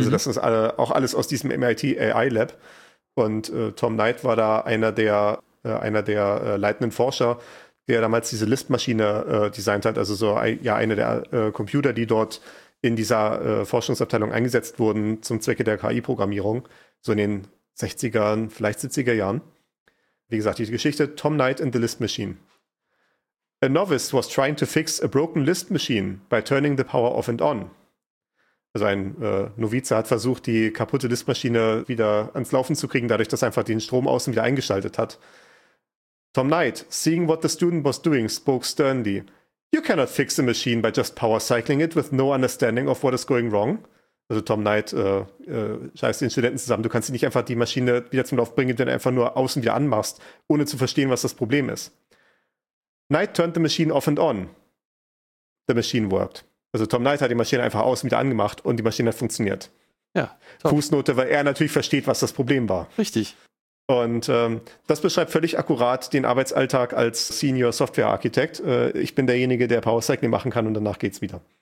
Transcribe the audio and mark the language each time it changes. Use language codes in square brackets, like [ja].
[de] Also das ist auch alles aus diesem MIT AI Lab. Und Tom Knight war da einer der leitenden Forscher, der damals diese Lisp-Maschine designt hat. Also so einer der Computer, die dort in dieser Forschungsabteilung eingesetzt wurden zum Zwecke der KI-Programmierung. So in den 60ern, vielleicht 70er Jahren. Wie gesagt, die Geschichte Tom Knight and the Lisp Machine. [en] A novice was trying to fix a broken Lisp machine by turning the power off and on. [de] Also ein Novize hat versucht, die kaputte Lisp-Maschine wieder ans Laufen zu kriegen, dadurch, dass er einfach den Strom außen wieder eingeschaltet hat. [en] Tom Knight, seeing what the student was doing, spoke sternly. You cannot fix a machine by just power cycling it with no understanding of what is going wrong. [de] Also Tom Knight scheißt den Studenten zusammen. Du kannst nicht einfach die Maschine wieder zum Laufen bringen, wenn du einfach nur außen wieder anmachst, ohne zu verstehen, was das Problem ist. [en] Knight turned the machine off and on. The machine worked. [de] Also Tom Knight hat die Maschine einfach außen wieder angemacht und die Maschine hat funktioniert. Ja. Top. Fußnote, weil er natürlich versteht, was das Problem war. Richtig. Und das beschreibt völlig akkurat den Arbeitsalltag als Senior Software Architect. Ich bin derjenige, der Power Cycling machen kann, und danach geht's wieder.